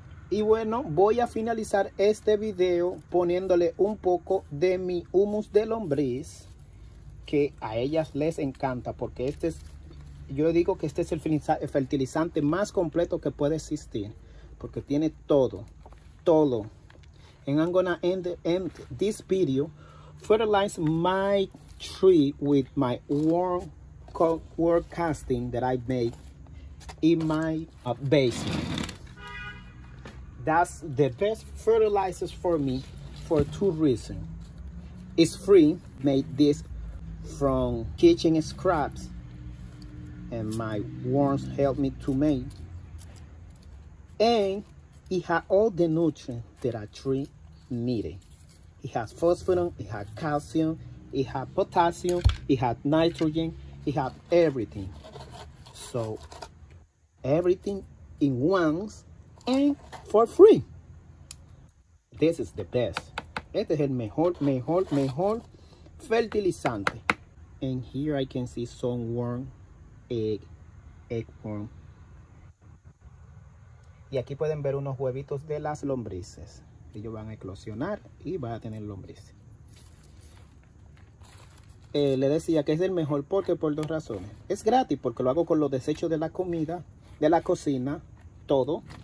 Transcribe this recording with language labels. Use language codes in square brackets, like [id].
[es] Y bueno, voy a finalizar este video poniéndole un poco de mi humus de lombriz, que a ellas les encanta, porque este es, yo digo que este es el fertilizante más completo que puede existir, porque tiene todo, todo. [en] And I'm gonna end this video fertilizing my tree with my worm casting that I made in my basement. That's the best fertilizers for me for two reasons. It's free, made this from kitchen scraps, and my worms helped me to make. And it has all the nutrients that a tree needed. It has phosphorus, it has calcium, it has potassium, it has nitrogen, it has everything. So everything in once and for free. This is the best. [es] Este es el mejor fertilizante. [en] And here I can see some worm, egg worm. [es] Y aquí pueden ver unos huevitos de las lombrices. Ellos van a eclosionar y van a tener lombrices. Le decía que es el mejor porque por dos razones. Es gratis porque lo hago con los desechos de la comida, de la cocina, todo.